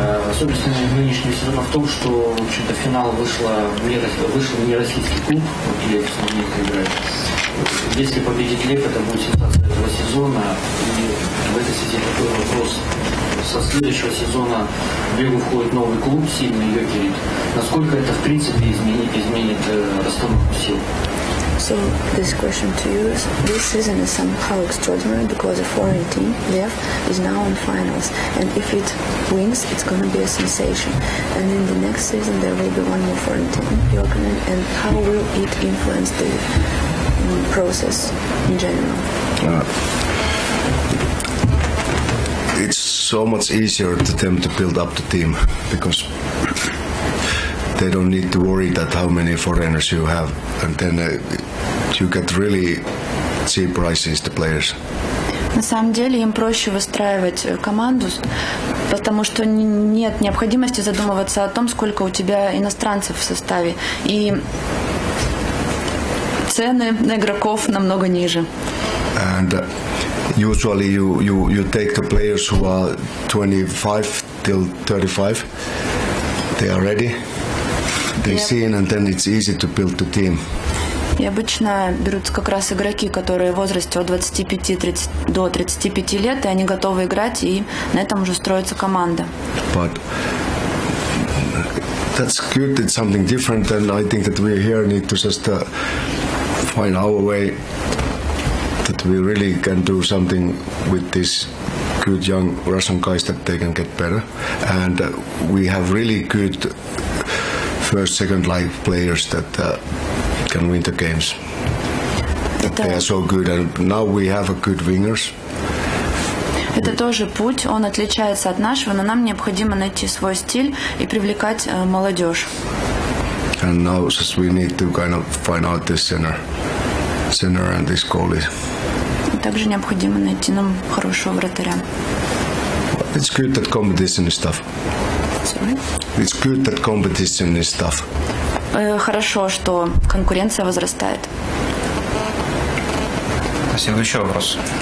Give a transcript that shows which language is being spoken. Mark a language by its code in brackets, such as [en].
[ru] Особенность нынешнего сезона в том, что в общем-то финал вышел не российский клуб, где Лев Смоленск играет. Если победит Лев, это будет сенсация этого сезона. И в этой связи такой вопрос. Со следующего сезона в Лигу входит новый клуб, сильный Йокерит. Насколько это в принципе изменит расстановку сил? [en] So this question to you is, this season is somehow extraordinary because a foreign team, Lev, is now in finals. And if it wins, it's going to be a sensation. And in the next season, there will be one more foreign team, Jokinen. And how will it influence the process in general? It's so much easier for them to build up the team because they don't need to worry that how many foreigners you have. And then you get really cheap prices to players. [ru] На самом деле им проще выстраивать команду, потому что нет необходимости задумываться о том, сколько у тебя иностранцев в составе. И цены на игроков намного ниже. [en] And usually you take the players who are 25 till 35. They are ready. They've seen, and then it's easy to build the team. [ru] И обычно берутся как раз игроки, которые в возрасте от 25 до 35 лет, и они готовы играть, и на этом уже строится команда. [en] But that's good. It's something different, and I think that we here need to just find our way that we really can do something with this. Good young Russian guys that they can get better, and we have really good first, second line players that can win the games. They are so good, and now we have a good wingers. [ru] Это тоже путь, он отличается от нашего, но нам необходимо найти свой стиль и привлекать молодежь. [en] And now just we need to kind of find out this center and this goalie. [ru] Также необходимо найти нам хорошего вратаря. [en] It's good that competition is tough. Sorry? It's good that competition is tough. [ru] Хорошо, что конкуренция возрастает. Спасибо. Еще вопрос.